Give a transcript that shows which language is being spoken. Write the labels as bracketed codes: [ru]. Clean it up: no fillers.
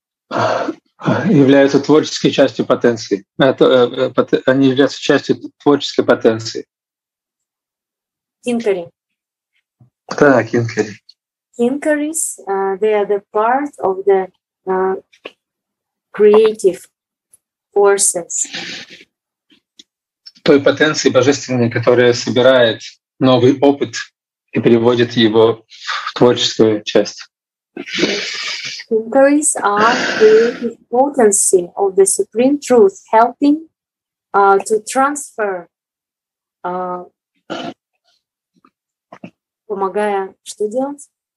[ru] Являются творческой частью потенции. Они являются частью творческой потенции. Тинкари. Да, тинкари. [en] Тинкарис, they are the part of the creative forces. [ru] Той потенции божественной, которая собирает новый опыт и переводит его в творческую часть. [en] Thinkers are the potency of the Supreme Truth, helping to transfer, [ru] помогая, что делать?